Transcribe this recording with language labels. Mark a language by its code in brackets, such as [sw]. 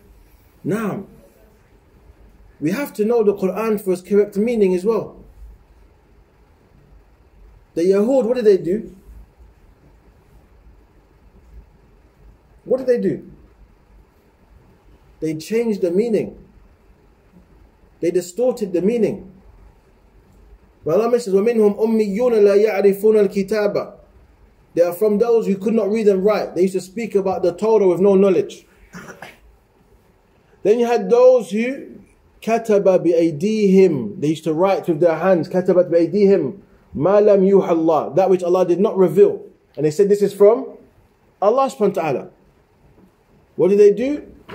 [en] it. Now, we have to know the Quran for its correct meaning as well. The Yahud, what did they do? What did they do? They changed the meaning. They distorted the meaning. Well, Allah says, [ar] وَمِنْهُمْ أُمِّيُّونَ لَا يَعْرِفُونَ الْكِتَابَ. [en] They are from those who could not read and write. They used to speak about the Torah with no knowledge. Then you had those who [ar] كَتَبَ بِأَيْدِيهِمْ. [en] They used to write with their hands. [ar] كَتَبَ بِأَيْدِيهِمْ. مَا لَمْ يُوحَ اللَّهِ. [en] That which Allah did not reveal. And they said this is from Allah subhanahu wa ta'ala. What did they do?